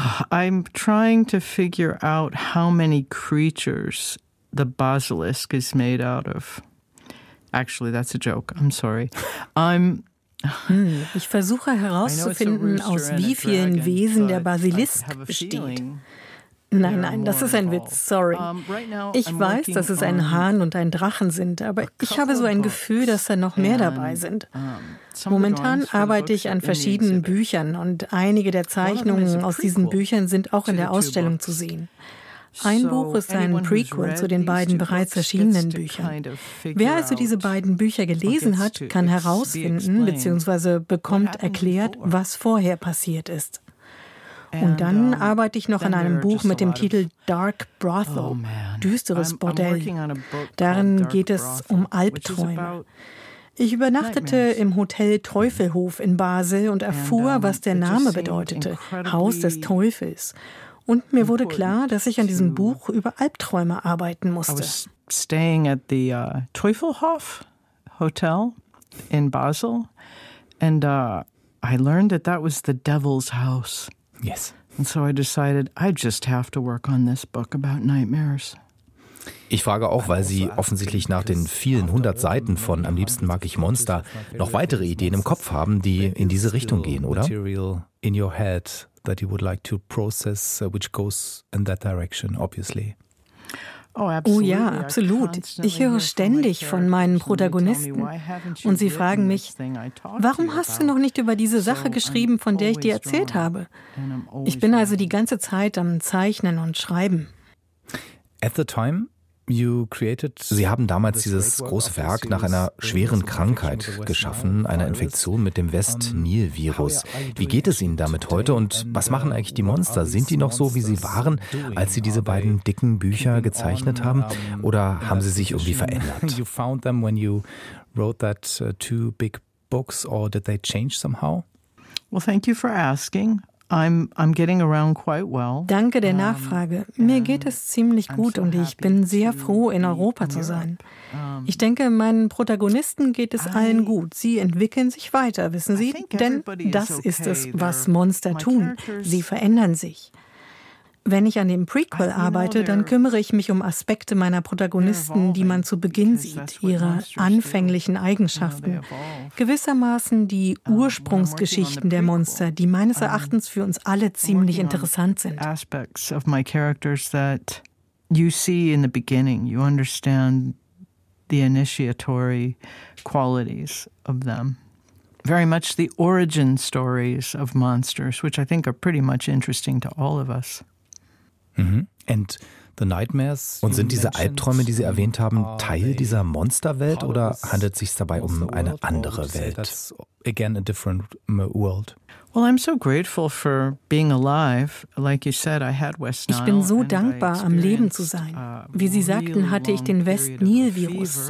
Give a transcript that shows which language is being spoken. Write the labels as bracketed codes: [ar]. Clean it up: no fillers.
[en] I'm trying to figure out how many creatures the basilisk is made out of. Actually, that's a joke. I'm sorry. [de] Ich versuche herauszufinden, aus wie vielen Wesen der Basilisk besteht. Nein, das ist ein Witz. Sorry. Ich weiß, dass es ein Hahn und ein Drachen sind, aber ich habe so ein Gefühl, dass da noch mehr dabei sind. Momentan arbeite ich an verschiedenen Büchern und einige der Zeichnungen aus diesen Büchern sind auch in der Ausstellung zu sehen. Ein Buch ist ein Prequel zu den beiden bereits erschienenen Büchern. Wer also diese beiden Bücher gelesen hat, kann herausfinden bzw. bekommt erklärt, was vorher passiert ist. Und dann arbeite ich noch an einem Buch mit dem Titel Dark Brothel, düsteres Bordell. Darin geht es um Albträume. Ich übernachtete im Hotel Teufelhof in Basel und erfuhr, was der Name bedeutete, Haus des Teufels. Und mir wurde klar, dass ich an diesem Buch über Albträume arbeiten musste. [en] I was staying at the Teufelhof Hotel in Basel and I learned that that was the devil's house. Yes. And so I decided I just have to work on this book about nightmares. [de] Ich frage auch, weil Sie offensichtlich nach den vielen hundert Seiten von Am liebsten mag ich Monster noch weitere Ideen im Kopf haben, die in diese Richtung gehen, oder? [en] In your head that you would like to process, which goes in that direction, obviously. [de] Oh ja, absolut. Ich höre ständig von meinen Protagonisten und sie fragen mich, warum hast du noch nicht über diese Sache geschrieben, von der ich dir erzählt habe? Ich bin also die ganze Zeit am Zeichnen und Schreiben. [en] At the time, [de] Sie haben damals dieses große Werk nach einer schweren Krankheit geschaffen, einer Infektion mit dem West-Nil-Virus. Wie geht es Ihnen damit heute und was machen eigentlich die Monster? Sind die noch so, wie sie waren, als Sie diese beiden dicken Bücher gezeichnet haben? Oder haben sie sich irgendwie verändert? [en] You found them when you wrote that two big books, or did they change somehow? Well, thank you for asking. I'm getting around quite well. [de] Danke der Nachfrage. Mir geht es ziemlich gut und ich bin sehr froh, in Europa zu sein. Ich denke, meinen Protagonisten geht es allen gut. Sie entwickeln sich weiter, wissen Sie? Denn das ist es, was Monster tun. Sie verändern sich. Wenn ich an dem Prequel arbeite, dann kümmere ich mich um Aspekte meiner Protagonisten, die man zu Beginn sieht, ihre anfänglichen Eigenschaften. Gewissermaßen die Ursprungsgeschichten der Monster, die meines Erachtens für uns alle ziemlich interessant sind. [en] Aspects of my characters that you see in the beginning, you understand the initiatory qualities of them. Very much the origin stories of monsters, which I think are pretty much interesting to all of us. And the nightmares. [de] Und sind diese Albträume, die Sie erwähnt haben, Teil dieser Monsterwelt oder handelt es sich dabei um eine andere Welt? [en] Again, a different world. Well, I'm so grateful for being alive. Like you said, I had West Nile. [de] Ich bin so dankbar, am Leben zu sein. Wie Sie sagten, hatte ich den West-Nil-Virus.